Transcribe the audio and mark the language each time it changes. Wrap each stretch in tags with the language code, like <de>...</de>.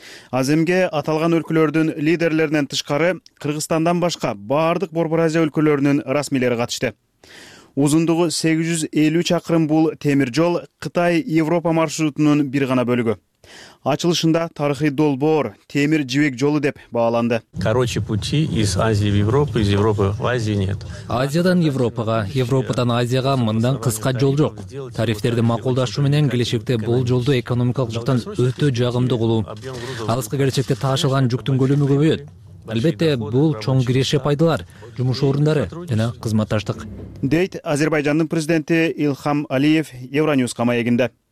<ky>Аземге аталган өлкөлөрдүн лидерлеринен тышкары Кыргызстандан башка баардык Борбор Азия өлкөлөрүнүн расмийлери катышты. Узундугу 853 чакырым бул темир жол Кытай Европа маршрутунун бир гана бөлүгү. Ачылышында тарыхый долбоор, темир жибек жолу деп бааланды.</ky> <ru>Короче пути из Азии в Европу, из Европы в Азию нет.</ru> <ky>Азиядан Европага, Европадан Азияга мындан кыска жол жок. Тарифтерди макулдашуу менен келечекте бул жолду экономикалык жактан өтө жагымдуу кылуу. Алыскы келечекте ташылган жүктүн көлөмү көбөйөт. Албетте, бул чоң киреше пайдалар, жумуш орундары жана кызматташтык. Дейт Азербайжандын президенти Илхам Алиев Евроньюзга маегинде.</ky>